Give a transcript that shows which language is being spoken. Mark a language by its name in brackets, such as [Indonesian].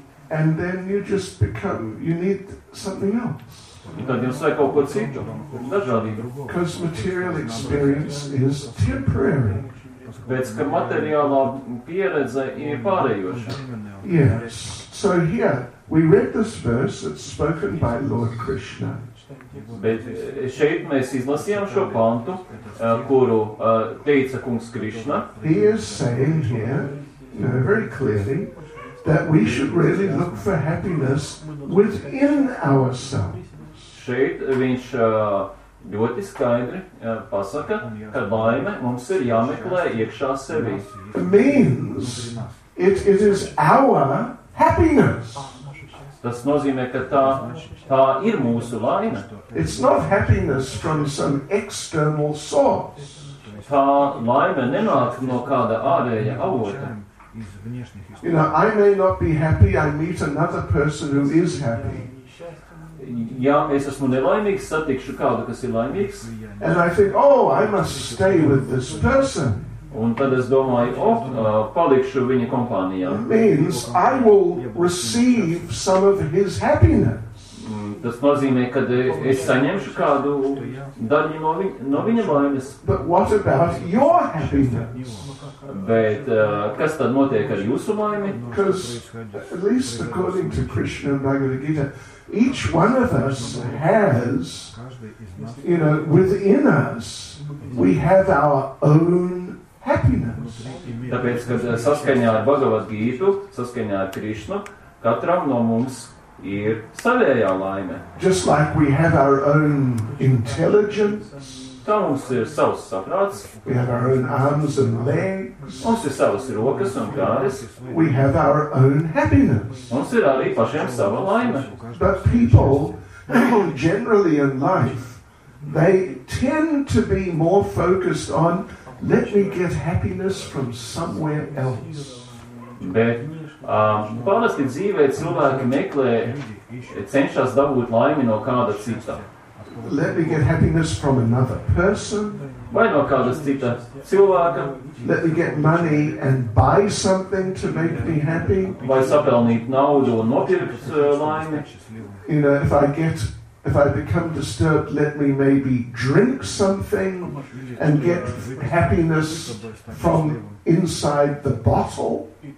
[English] And then you just become, you need something else. [Latvian] Tad jums vajag kaut ko citu, dažādību. [English] Because material experience is temporary. [Latvian] Pēc, ka materiālā pieredze ir pārējoša. [English] Yes. So here, we read this verse that's spoken by Lord Krishna. [Latvian] Bet šeit mēs izlasījām šo pantu, kuru teica kungs Krišna. [English] He is saying here, you know, very clearly, that we should really look for happiness within ourselves. [Latvian] Šeit viņš ļoti skaidri pasaka, ka laime mums ir jāmeklē iekšā sevī. [English] Means it is our happiness. [Latvian] Tas nozīmē, ka tā ir mūsu laime. [English] It's not happiness from some external source. [Latvian] Tā laime nenāk no kāda ārēja avota. [English] You know, I may not be happy, I meet another person who is happy. [Latvian] Ja es esmu nelaimīgs, satikšu kādu, kas ir laimīgs. [English] And I think, oh, I must stay with this person. [Latvian] Un tad es domāju, oh, palikšu viņa kompānijā. [English] Means I will receive some of his happiness. [Latvian] Tas nozīmē, ka es saņemšu kādu daļu no viņa laimes. [English] But what about your happiness? [Latvian] Bet kas tad notiek ar jūsu laimi? [English] Because at least according to Krishna and Bhagavad Gita, each one of us has, you know, within us, we have our own happiness. [Latvian] Tāpēc, ka saskaņā ar Bhagavad Gītu, saskaņā ar Krišnu, katram no mums ir savējā laime. [English] Just like we have our own intelligence. [Latvian] Tā mums ir savs saprāts. [English] We have our own arms and legs. [Latvian] Mums ir savas rokas un kāres. [English] We have our own happiness. [Latvian] Mums ir arī pašiem sava laime. [English] But people generally in life, they tend to be more focused on let me get happiness from somewhere else. [Latvian] Bet parasti dzīvē cilvēki meklē, cenšas dabūt laimi no kāda cita. [English] Let me get happiness from another person. [Latvian] Vai no kādas cita cilvēka. [English] Let me get money and buy something to make me happy. [Latvian] Vai sapelnīt naudu un nopirkt laimi. [English] You know, if I become disturbed, let me maybe drink something and get happiness from inside the bottle.